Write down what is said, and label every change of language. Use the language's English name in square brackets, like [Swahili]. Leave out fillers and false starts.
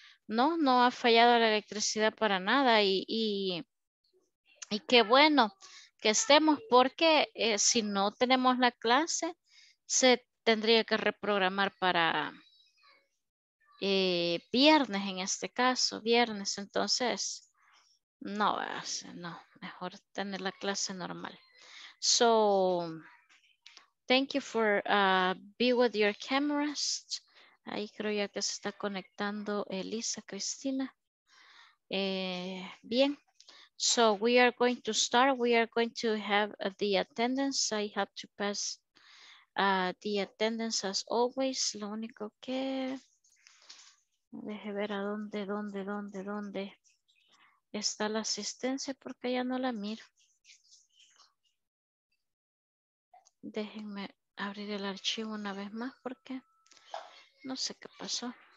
[Spanish] No, no ha fallado la electricidad para nada y qué bueno que estemos, porque si no tenemos la clase, se tendría que reprogramar para viernes, en este caso, viernes. Entonces, no, no, mejor tener la clase normal. [English] So, thank you for be with your cameras. [Spanish] Ahí creo ya que se está conectando Elisa, Cristina. Bien. [English] So we are going to start. We are going to have the attendance. I have to pass the attendance as always. [Spanish] Lo único que... Deje ver a dónde está la asistencia, porque ya no la miro. Déjenme abrir el archivo una vez más porque... No sé qué pasó.